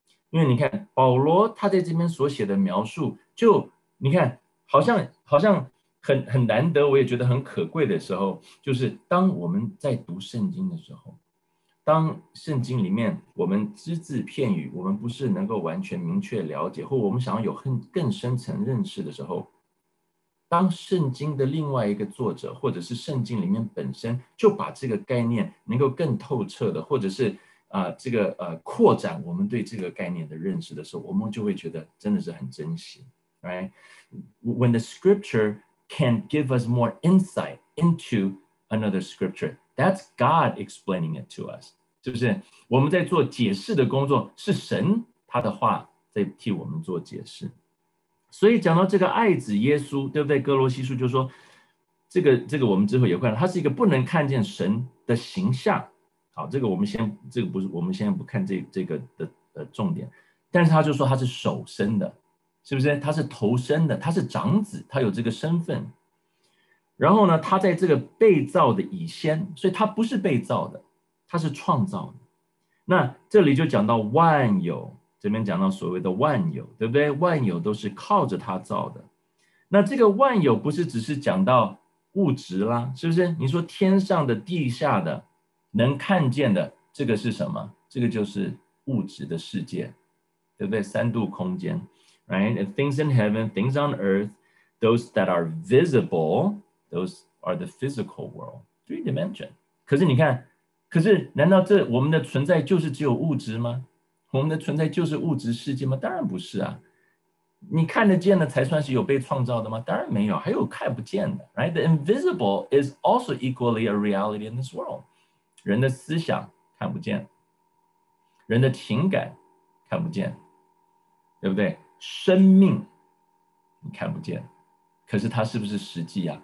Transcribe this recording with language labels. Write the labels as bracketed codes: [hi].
[zh] 因为你看保罗他在这边所写的描述，就你看好像 很难得，我也觉得很可贵的时候，就是当我们在读圣经的时候，当圣经里面我们只字片语，我们不是能够完全明确了解，或我们想要有更深层认识的时候，当圣经的另外一个作者或者是圣经里面本身就把这个概念能够更透彻的，或者是扩展我们对这个概念的认识的时候，我们就会觉得真的是很珍惜。 [en] Right? When the scripture can give us more insight into another scripture,That's God explaining it to us. [zh] 是不是？我们在做解释的工作，是神他的话在替我们做解释。所以讲到这个爱子耶稣，对不对？哥罗西书就说，这个我们之后也会，他是一个不能看见神的形象。好，这个我们先，这个不是，我们先不看这个的重点。但是他就说他是首生的，是不是？他是头生的，他是长子，他有这个身份。然后呢，他在这个被造的以先，所以他不是被造的，他是创造的。那这里就讲到万有，这边讲到所谓的万有，对不对？万有都是靠着他造的。那这个万有不是只是讲到物质啦，是不是？你说天上的、地下的、能看见的，这个是什么？这个就是物质的世界，对不对？三度空间 ，right? [en] Things in heaven, things on earth, those that are visible. Those are the physical world, three dimension. [zh] 可是你看，可是难道这我们的存在就是只有物质吗？我们的存在就是物质世界吗？当然不是啊。你看得见的才算是有被创造的吗？当然没有，还有看不见的。 [en] Right? The invisible is also equally a reality in this world. [zh] 人的思想看不见，人的情感看不见，对不对？生命你看不见。可是它是不是实际啊？